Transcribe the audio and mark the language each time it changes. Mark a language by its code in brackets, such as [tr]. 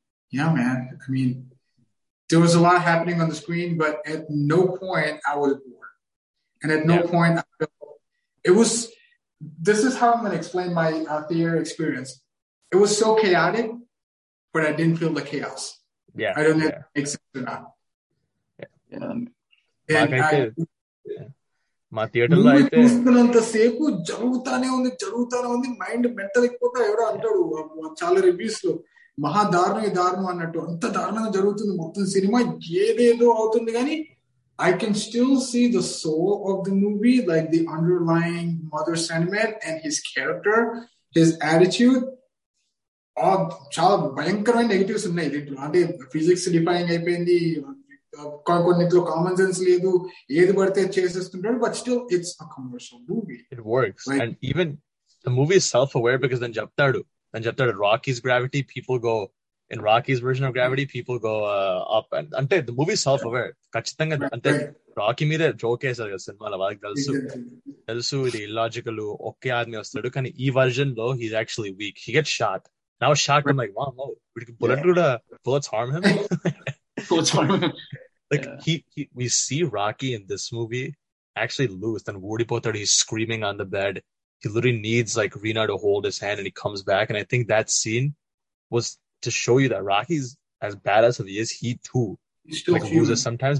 [en] Yeah, man. I mean, there was a lot happening on the screen, but at no point I was bored. And at no point I felt it was. This is how I'm going to explain my theater experience. It was so chaotic, but I didn't feel the chaos. Yeah. I don't know if it makes sense or not. Yeah. Yeah. And I [te] చూస్తున్నంత సేపు జరుగుతానే ఉంది జరుగుతానే ఉంది mind mental ఎక్కువగా ఎవరో అంటాడు చాలా reviews లో మహాదారుణ దారుణం అన్నట్టు అంత దారుణంగా జరుగుతుంది మొత్తం సినిమా ఏదేదో అవుతుంది కానీ [en] I can still see the soul of the movie, like the underlying mother sentiment and his character, his attitude. [te] చాలా భయంకరమైన నెగిటివ్స్ ఉన్నాయి దీంట్లో. అంటే ఫిజిక్స్ డిఫైయింగ్ అయిపోయింది, కొన్నింటిలో కామన్ సెన్స్ లేదు, ఏది పడితే చేసేస్తుంటాడు. [en] But still it's a commercial movie, it works. And even the movie is self aware, because దాన్ చెప్తాడు Rocky's gravity, people go in Rocky's version of gravity, people go up. [te] And అంటే the movie self aware ఖచ్చితంగా. అంటే Rocky మీద joke వేసారు కదా సినిమాలో, వాళ్ళకి తెలుసు ఇది ఇల్లాజికల్, ఒకే ఆదమి వస్తాడు. కానీ ఈ వర్జన్ లో [en] He's actually weak, he gets shot. And I was shocked. I'm like, wow, no, bullets harm him? Bullets harm him. Like, yeah. We see Rocky in this movie actually lose. Then Woody Potter, he's screaming on the bed. He literally needs, like, Rina to hold his hand, and he comes back. And I think that scene was to show you that Rocky's as badass as he is, he too loses sometimes.